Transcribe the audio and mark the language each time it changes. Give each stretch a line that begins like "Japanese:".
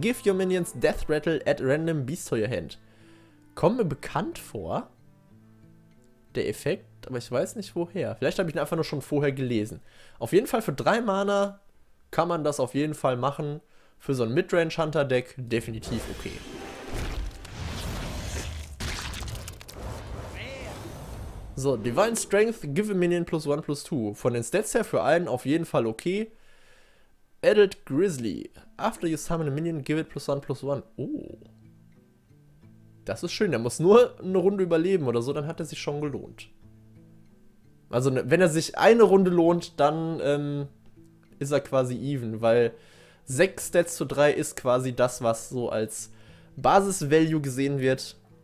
English: Give your minions Death Rattle at random Beast to your hand.
German: Kommt mir bekannt vor, der Effekt, aber ich weiß nicht woher. Vielleicht habe ich ihn einfach nur schon vorher gelesen. Auf jeden Fall für 3 Mana kann man das auf jeden Fall machen. Für so ein Midrange-Hunter-Deck definitiv okay. So, Divine Strength,
English: give a minion +1/+2.
German: Von den Stats her für einen auf jeden Fall okay.
English: Added Grizzly, after you summon a minion, give it +1/+1. Oh.
German: Das ist schön, der muss nur eine Runde überleben oder so, dann hat er sich schon gelohnt. Also wenn er sich eine Runde lohnt, dann ist er quasi even, weil 6 Stats zu 3 ist quasi das, was so als Basis-Value gesehen wird.